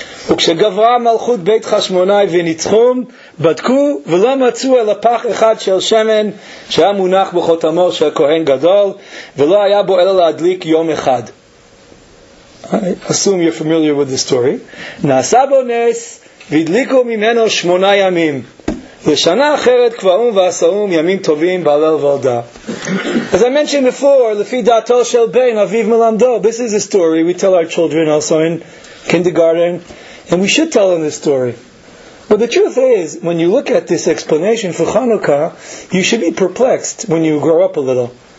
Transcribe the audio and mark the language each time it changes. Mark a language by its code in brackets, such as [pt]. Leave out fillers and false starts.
[he] וכשגברה מלכות בית חשמונאי וניצחום, בדקו ולא מצאו אלא פח אחד של שמן שהיה מונח בחותמו של כהן גדול, ולא היה בו אלא להדליק יום אחד. [en] I assume you're familiar with the story. [he] נעשה בו נס, והדליקו ממנו 8 ימים. לשנה אחרת קבעום ועשאום ימים טובים בעלל ועודה. [en] As I mentioned before, [he] לפי דעתו של בן, אביב מלמדו, [en] this is a story we tell our children also in kindergarten, and we should tell them this story. But the truth is, when you look at this explanation for Chanukah, you should be perplexed when you grow up a little.